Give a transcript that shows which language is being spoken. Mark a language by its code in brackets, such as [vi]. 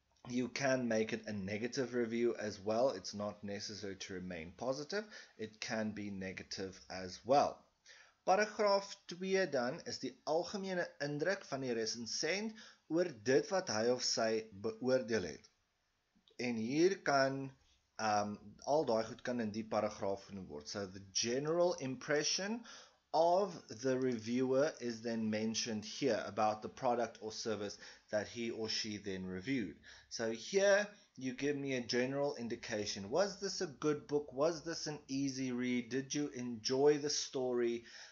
[en] You can make it a negative review as well. It's not necessary to remain positive. It can be negative as well. [af] Paragraaf 2 dan is die algemene indruk van die resensent oor dit wat hy of sy beoordeel het. En hier kan al daai goed kan in die paragraaf genoem word. [en] So the general impression of the reviewer is then mentioned here about the product or service that he or she then reviewed. So here you give me a general indication. Was this a good book? Was this an easy read? Did you enjoy the story?